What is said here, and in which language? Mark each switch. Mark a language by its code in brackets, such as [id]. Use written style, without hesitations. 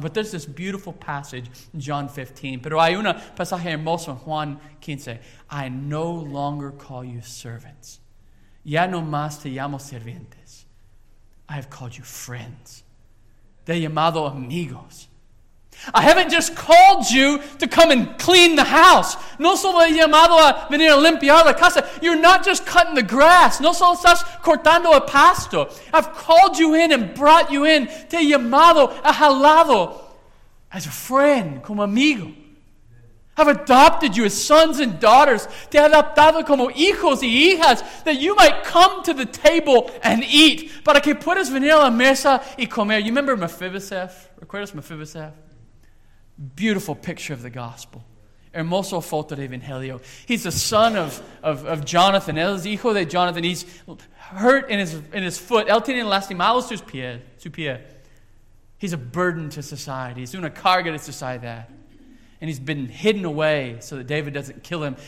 [en] But there's this beautiful passage in John 15. [es] Pero hay un pasaje hermoso en Juan 15. [en] I no longer call you servants. [es] Ya no más te llamo sirvientes. [en] I have called you friends. [es] Te he llamado amigos. [en] I haven't just called you to come and clean the house. [es] No solo he llamado a venir a limpiar la casa. [en] You're not just cutting the grass. [es] No solo estás cortando el pasto. [en] I've called you in and brought you in. [es] Te he llamado, a jalado [en] as a friend, [es] como amigo. [en] I've adopted you as sons and daughters. [es] Te he adoptado como hijos y hijas [en] that you might come to the table and eat. [es] Para que puedas venir a la mesa y comer. [en] You remember Mephibosheth? [es] ¿Recuerdas Mephibosheth? [en] Beautiful picture of the gospel. [es] Hermoso foto de Evangelio. [en] He's the son of Jonathan. [es] Él es hijo de Jonathan. [en] He's hurt in his foot. [es] Él tiene lastimado su pie. [en] He's a burden to society. [es] Es una carga de sociedad. [en] and he's been hidden away so that David doesn't kill him.